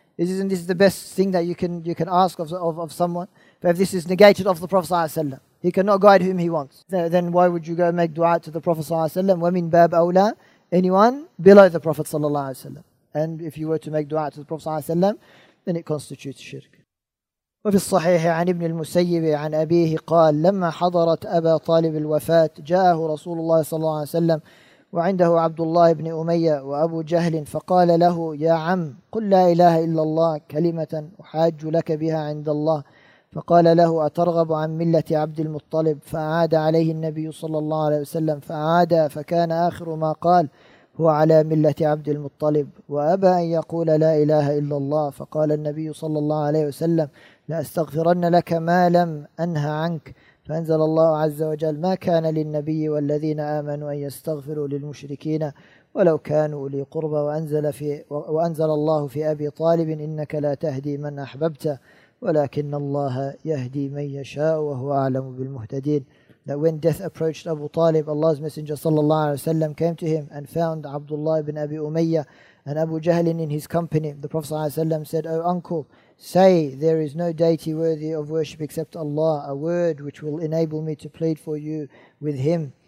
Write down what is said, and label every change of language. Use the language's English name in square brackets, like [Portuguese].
[English] Isn't this the best thing that you can ask of someone? But if this is negated of the Prophet ﷺ, he cannot guide whom he wants. Then why would you go make dua to the Prophet ﷺ? [Arabic] وَمِنْ بَابْ أَوْلَى [English] Anyone below the Prophet ﷺ. And if you were to make dua to the Prophet ﷺ, then it constitutes shirk. [Arabic] وفي الصحيح عن ابن المسيب عن أبيه قال لما حضرت أبا طالب الوفاة جاءه رسول الله صلى الله عليه وسلم وعنده عبد الله بن أمية وأبو جهل فقال له يا عم قل لا إله إلا الله كلمة أحاج لك بها عند الله فقال له أترغب عن ملة عبد المطلب فأعاد عليه النبي صلى الله عليه وسلم فأعاد فكان آخر ما قال هو على ملة عبد المطلب وأبى أن يقول لا إله إلا الله فقال النبي صلى الله عليه وسلم لأستغفرن لك ما لم أنهى عنك فأنزل الله عز وجل ما كان للنبي والذين آمنوا أن يستغفروا للمشركين ولو كانوا أولي قربى وأنزل الله في أبي طالب إنك لا تهدي من أحببت ولكن الله يهدي من يشاء وهو أعلم بالمهتدين. [English] That when death approached Abu Talib, Allah's Messenger sallallahu alayhi wa sallam came to him and found Abdullah ibn Abi Umayyah and Abu Jahlin in his company. The Prophet sallallahu alayhi wa sallam said, O uncle, say there is no deity worthy of worship except Allah, a word which will enable me to plead for you with him.